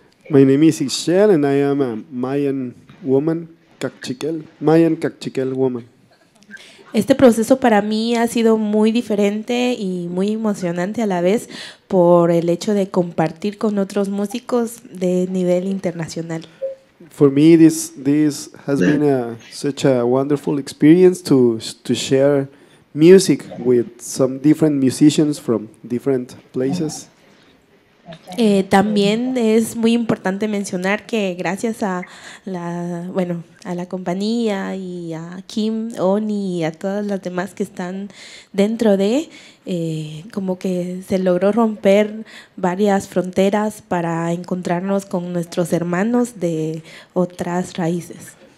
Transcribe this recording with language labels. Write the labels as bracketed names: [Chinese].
[English] My name is Ishelle and I am a Mayan woman cachiquel, Mayan cachiquel woman. [Spanish] Este proceso para mí ha sido muy diferente y muy emocionante a la vez por el hecho de compartir con otros músicos de nivel internacional. [English] For me this has been such a wonderful experience to share music with some different musicians from different places. [Spanish] También es muy importante mencionar que gracias a la compañía y a Kim, Oni y a todas las demás que están dentro de, como que se logró romper varias fronteras para encontrarnos con nuestros hermanos de otras raíces.